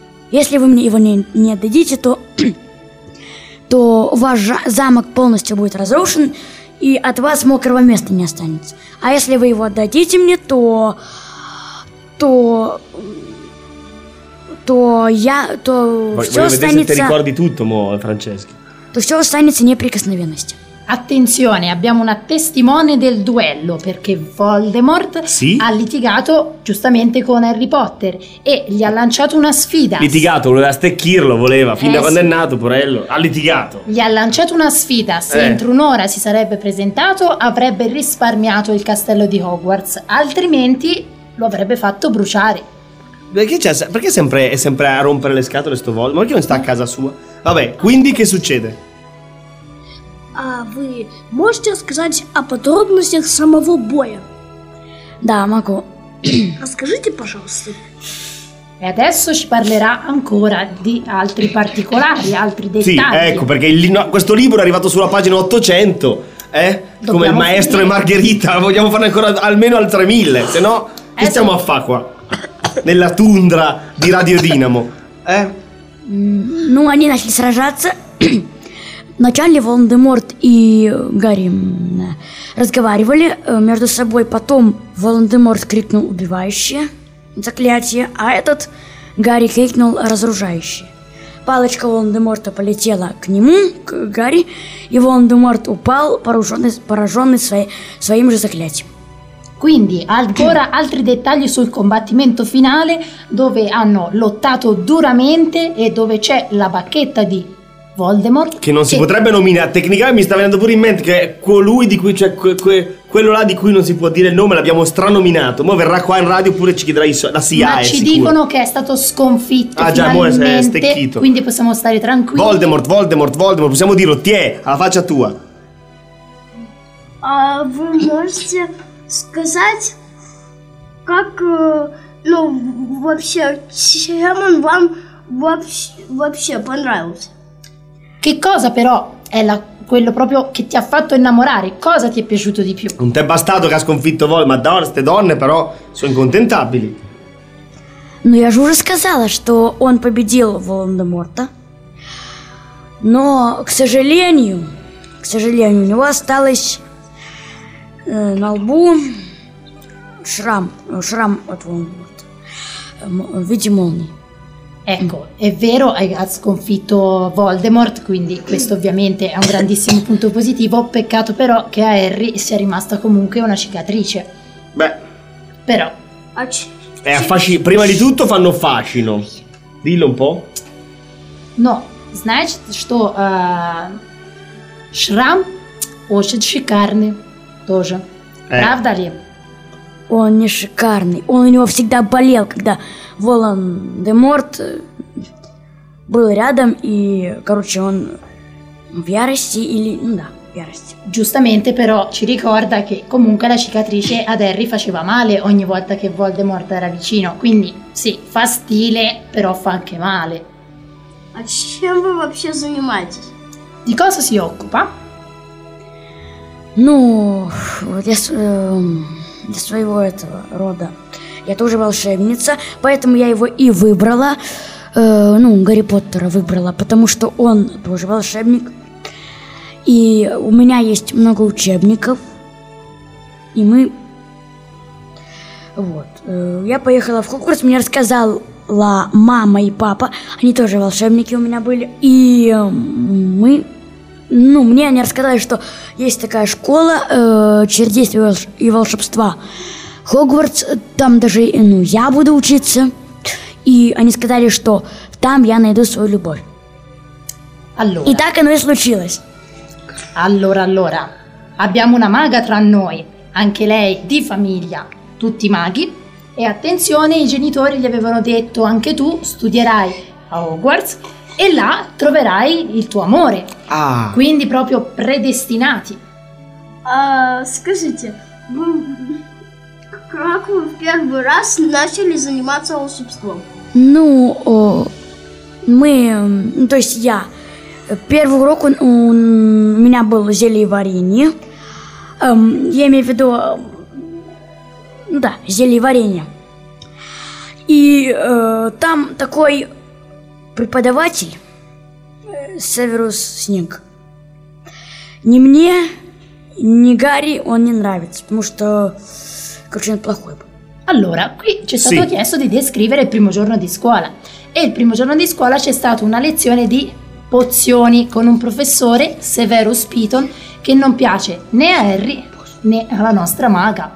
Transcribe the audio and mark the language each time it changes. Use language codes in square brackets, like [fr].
[ru] Если вы мне его не отдадите, то... то ваш замок полностью будет разрушен, и от вас мокрого места не останется. А если вы его отдадите мне, то... то... то я то все останется то все останется неприкосновенности. [it] Attenzione, abbiamo una testimone del duello, perché Voldemort sì? ha litigato giustamente con Harry Potter e gli ha lanciato una sfida. Litigato, voleva stecchirlo, voleva, fin da quando è nato, purello, ha litigato. Gli ha lanciato una sfida, se entro un'ora si sarebbe presentato avrebbe risparmiato il castello di Hogwarts, altrimenti lo avrebbe fatto bruciare. Perché, c'è, perché sempre, è sempre a rompere le scatole sto Voldemort? Che non sta a casa sua? Vabbè, quindi che succede? [ru] А вы можете сказать о подробностях самого боя? Да, могу. Расскажите, пожалуйста. [it] E adesso ci parlerà ancora di altri particolari, altri dettagli. Sì, ecco, perché il, no, questo libro è arrivato sulla pagina 800, eh? Come il maestro finire. E Margherita, vogliamo farne ancora almeno altre mille, se no che stiamo a fa qua? Nella tundra di Radio Dinamo, eh? [ru] Ну, они начали сражаться. Вначале Волан-де-Морт и Гарри разговаривали между собой, потом Волан-де-Морт крикнул «убивающее заклятие», а этот Гарри крикнул «разоружающее». Палочка Волан-де-Морта полетела к нему, к Гарри, и Волан-де-Морт упал, пораженный своим же заклятием. [it] Quindi, ancora altri dettagli sul combattimento finale, dove hanno lottato duramente e dove c'è la bacchetta di Voldemort. Che non si potrebbe nominare, tecnicamente mi sta venendo pure in mente che è colui di cui, cioè quello là di cui non si può dire il nome, l'abbiamo stranominato. Mo verrà qua in radio pure ci chiederà la CIA. Ma ci sicuro. Dicono che è stato sconfitto. Ah già, finalmente, è stecchito. Quindi possiamo stare tranquilli. Voldemort, Voldemort, Voldemort, possiamo dirlo, ti è, alla faccia tua. Voldemort. [ru] Сказать, как, ну, вообще, чем он вам вообще понравился? [it] Che cosa però è la, quello proprio che ti ha fatto innamorare? Cosa ti è piaciuto di più? Non ti è bastato che ha sconfitto voi, ma d'ora ste donne però sono incontentabili. [ru] Ну, я же уже сказала, что он победил Волан-де-Морта. Но, к сожалению, у него осталось... на лбу шрам от Волан-де-Морта в виде молнии. [it] Ecco, è vero, ha sconfitto Voldemort, quindi questo ovviamente è un grandissimo punto positivo. Peccato però che a Harry sia rimasta comunque una cicatrice. Beh, però è prima di tutto fanno fascino. Dillo un po'. [ru] No, значит, что шрам очень шикарный. Тоже. Правда ли? Он не шикарный. Он у него всегда болел, когда Волан-де-Морт был рядом. И, короче, он в ярости или... Ну да, в ярости. [it] Giustamente, però, ci ricorda che comunque la cicatrice ad Harry faceva male ogni volta che Voldemort era vicino. Quindi, sì, fa stile, però fa anche male. [ru] А чем вы вообще занимаетесь? [it] Di cosa si occupa? [ru] Ну, вот я для своего этого рода, я тоже волшебница, поэтому я его и выбрала, ну, Гарри Поттера выбрала, потому что он тоже волшебник, и у меня есть много учебников, и мы, вот, я поехала в Хогвартс, мне рассказала мама и папа, они тоже волшебники у меня были, и мы... Ну, мне они рассказали, что есть такая школа чародейства и волшебства Хогвартс. Там даже, ну, я буду учиться. И они сказали, что там я найду свою любовь. [it] Allora. [ru] И так оно и случилось. [it] Allora, allora. Abbiamo una maga tra noi. Anche lei di famiglia. Tutti maghi. E attenzione, i genitori gli avevano detto, anche tu studierai a Hogwarts. E là troverai il tuo amore. Ah. Quindi proprio predestinati. [ru] Скажите, как вы в первый раз начали заниматься волшебством? Ну, мы, то есть я, первый урок у меня был зельеварение. Я имею в виду, да, зельеварение. И там такой преподаватель... Северус Снег. Ни мне, ни Гарри он не нравится, потому что, короче, он плохой. [it] Allora, qui ci è stato sì. chiesto di descrivere il primo giorno di scuola. E il primo giorno di scuola c'è stata una lezione di pozioni con un professore, Severus Piton, che non piace né a Harry né alla nostra maga.